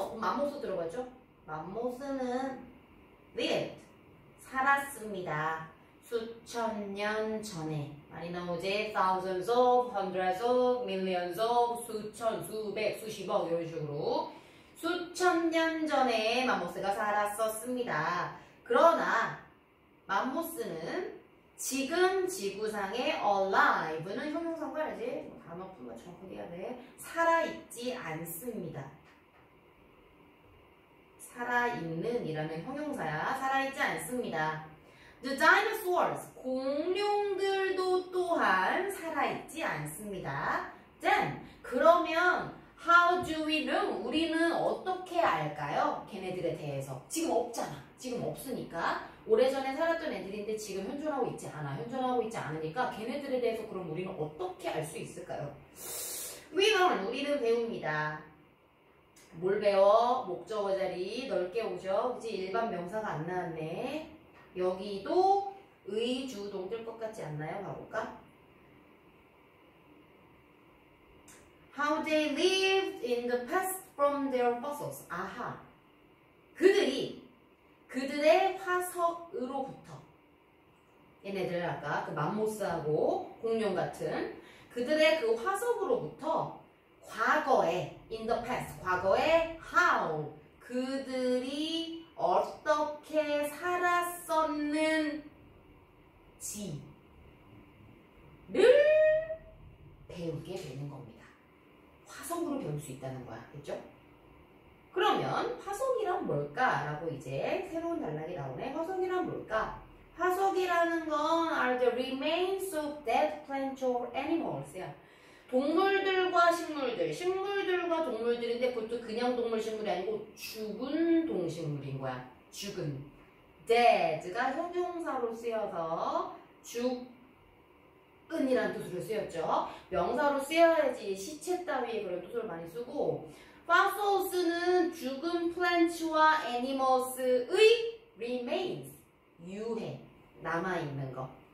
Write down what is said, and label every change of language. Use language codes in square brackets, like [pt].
[ko] 마모스 들어가죠? 마모스는 lived, 살았습니다. 수천 년 전에. 많이 나오지? [en] Thousands of, hundreds of, millions of, 수천, 수백, 수십억 이런 식으로. [ko] 수천 년 전에 마모스가 살았었습니다. 그러나 마모스는 지금 지구상에 alive는 형용사고 해야지. 단어 풀면 정확해야 돼. 살아있지 않습니다. 살아있는이라는 형용사야. 살아있지 않습니다. The dinosaurs, 공룡들도 또한 살아있지 않습니다. [en] Then, 그러면 how do we know? [ko] 우리는 어떻게 알까요? 걔네들에 대해서. 지금 없잖아. 지금 없으니까. 오래전에 살았던 애들인데 지금 현존하고 있지 않아. 현존하고 있지 않으니까 걔네들에 대해서 그럼 우리는 어떻게 알 수 있을까요? We learn. 우리는 배웁니다. 뭘 배워? 목적어 자리 넓게 오죠. 굳이 일반 명사가 안 나왔네. 여기도 의주동 뜰 것 같지 않나요? 가볼까? [en] How they lived in the past from their fossils. [ko] 아하. 그들이 그들의 화석으로부터. 얘네들 아까 그 맘모스하고 공룡 같은 그들의 그 화석으로부터 과거에 in the past 과거에 how 그들이 어떻게 살았었는지를 배우게 되는 겁니다. 화석으로 배울 수 있다는 거야. 그렇죠? 그러면 화석이란 뭘까? 라고 이제 새로운 단락이 나오네. 화석이란 뭘까? [en] 화석이라는 건 are the remains of dead plants or animals. [ko] 동물들과 식물들, 식물들과 동물들인데 보통 그냥 동물, 식물이 아니고 죽은 동식물인 거야. 죽은. dead가 형용사로 쓰여서 죽은이라는 뜻으로 쓰였죠. 명사로 쓰여야지 시체 따위 그런 뜻을 많이 쓰고 fossils는 죽은 plants와 animals의 remains, 유해, 남아있는 거.